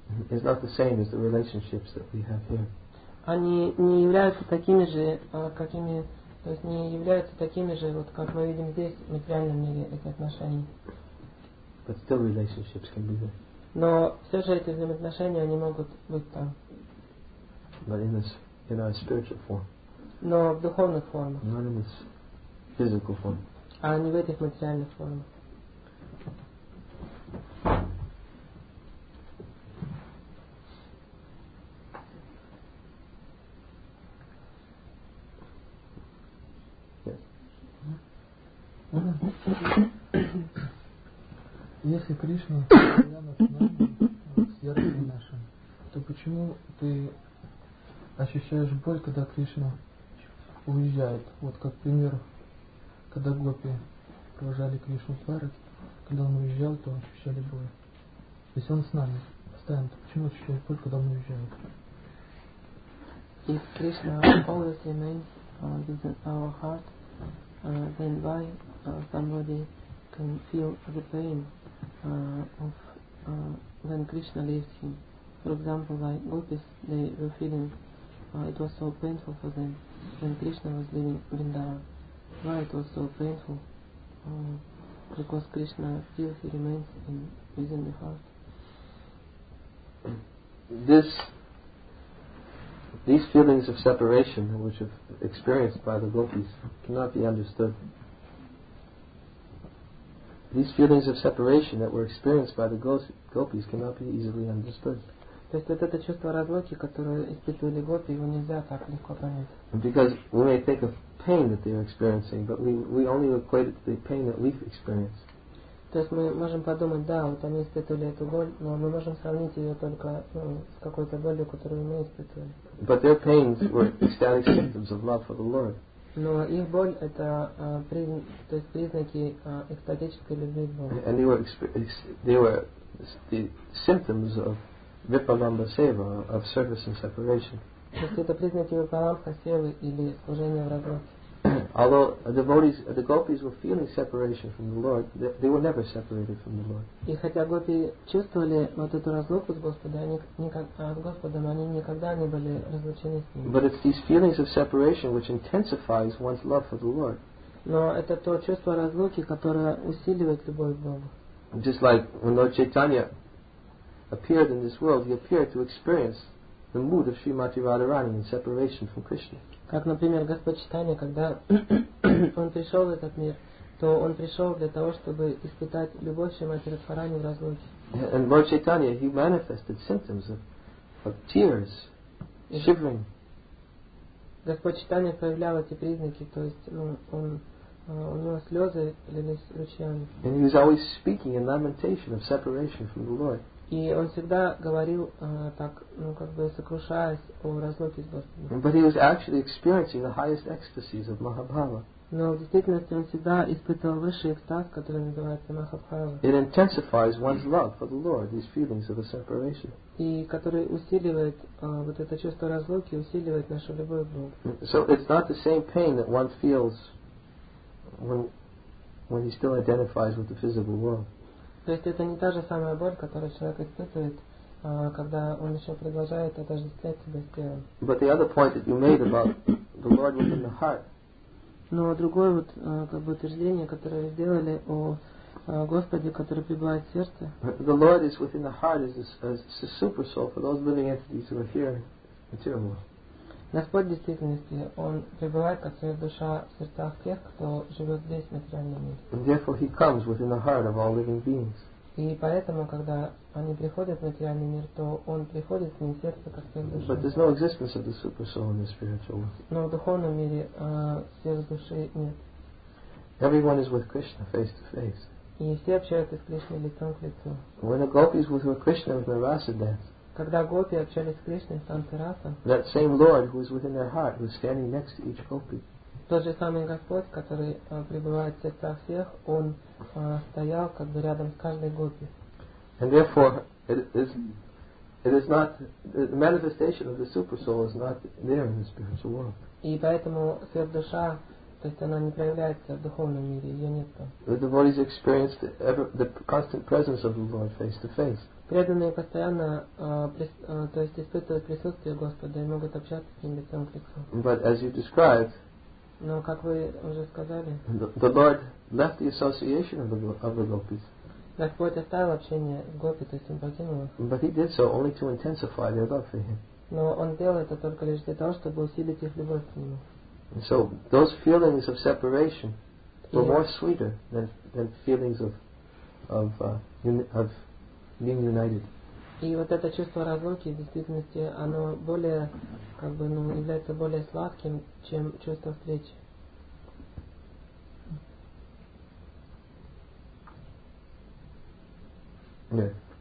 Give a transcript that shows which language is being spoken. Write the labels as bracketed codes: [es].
[en] Is not the same as the relationships that we have here. [ru] Они не являются такими же, какими, то есть не являются такими же, вот как мы видим здесь, в материальном мире, эти отношения. [en] But still relationships can be there. [ru] Но все же эти взаимоотношения, они могут быть там. [en] But in our spiritual form. [ru] Но в духовных формах. [en] Not in this physical form. [ru] А не в этих материальных формах. Если Кришна постоянно с нами, с сердцем нашим, то почему ты ощущаешь боль, когда Кришна уезжает. Вот как пример, когда гопи провожали Кришну в Парвати, когда он уезжал, то ощущали боль. То есть он с нами постоянно. Почему ощущаешь боль, когда он уезжает? [en] If Krishna always remains within our heart, then why somebody can feel the pain of when Krishna leaves him? For example, like gopis, they were feeling it was so painful for them when Krishna was leaving Vrindavan. Why it was so painful? Because Krishna still he remains in within the heart. These feelings of separation, which are experienced by the gopis, cannot be understood. These feelings of separation that were experienced by the gopis cannot be easily understood. [ru] То есть это чувство разлуки, которое испытывали гопи, его нельзя так легко понять. [en] Because we may think of pain that they are experiencing, but we only equate it to the pain that we've experienced. [ru] То есть мы можем подумать, да, вот они испытывали эту боль, но мы можем сравнить ее только с какой-то болью, которую мы испытывали. [en] But their pains were ecstatic symptoms of love for the Lord. [ru] Но их боль это то есть признаки экстатической любви к Богу. [en] And they were the symptoms of vipalamba seva, of service and separation. [ru] То есть это признаки випаламба севы или служения в разлуке. [en] Although the gopis were feeling separation from the Lord, they were never separated from the Lord. [ru] И хотя гопи чувствовали вот эту разлуку с Господом, они никогда не были разлучены с ним. [en] But it's these feelings of separation which intensifies one's love for the Lord. [ru] Но это то чувство разлуки, которое усиливает любовь к Богу. [en] Just like when Lord Chaitanya appeared in this world, he appeared to experience the mood of Srimati Radharani in separation from Krishna. [ru] Как, например, Господь Чайтанья, когда он пришел в этот мир, то он пришел для того, чтобы испытать любовь Шримати Радхарани в разлуке. [en] And Lord Chaitanya, he manifested symptoms of tears, shivering. [ru] Господь Чайтанья проявлял эти признаки, то есть у него слезы лились ручьями. [en] And he was always speaking in lamentation of separation from the Lord. [ru] И он всегда говорил так, ну как бы сокрушаясь о разлуке с Господом. [en] But he was actually experiencing the highest ecstasies of Mahabhava. [ru] Но в действительности он всегда испытывал высший экстаз, который называется Махабхава. [en] It intensifies one's love for the Lord, these feelings of a separation. [ru] И который усиливает вот это чувство разлуки, усиливает нашу любовь к Богу. [en] So it's not the same pain that one feels when he still identifies with the physical world. [ru] То есть это не та же самая боль, которую человек испытывает, когда он еще продолжает отождествлять себя с телом. [en] But the other point that you made about the Lord within the heart. [ru] Но другое вот как бы утверждение, которое вы сделали о Господе, который пребывает в сердце. [en] The Lord is within the heart is a super soul for those living entities who are here material. [ru] Господь в действительности, он пребывает как своя душа в сердцах тех, кто живет здесь, в материальном мире. [en] And therefore he comes within the heart of all living beings. [ru] И поэтому, когда они приходят в материальный мир, то он приходит в ним сердце как своя душа. [en] But there's no existence of the super soul in the spiritual world. [ru] Но в духовном мире сверхдуши нет. [en] Everyone is with Krishna face to face. [ru] И все общаются с Кришной лицом к лицу. [en] When a gopi is with Krishna with Narasa dance. [ru] Когда гопи общались с Кришной в Сансарасе, [en] that same Lord who is within their heart, who is standing next to each gopi, [ru] тот же самый Господь, который пребывает в сердцах всех, он стоял как бы рядом с каждой гопи. [en] And therefore, it is not the manifestation of the super soul is not there in the spiritual world. [ru] И поэтому сверхдуша, то есть она не проявляется в духовном мире, ее нет там. [en] The devotees experience the constant presence of the Lord face to face. [ru] Преданные постоянно то есть испытывают присутствие Господа и могут общаться с ним лицом к лицу. [en] But as you described, [ru] но как вы уже сказали, [en] the Lord left the association of the gopis. [ru] Господь оставил общение с гопи, то есть он покинул их. [en] But he did so only to intensify their love for him. [ru] Но он делал это только лишь для того, чтобы усилить их любовь к нему. [en] And so those feelings of separation were more sweeter than feelings of being united. [ru] И вот это чувство разлуки, в действительности, оно более, как бы, ну, является более сладким, чем чувство встречи. Нет.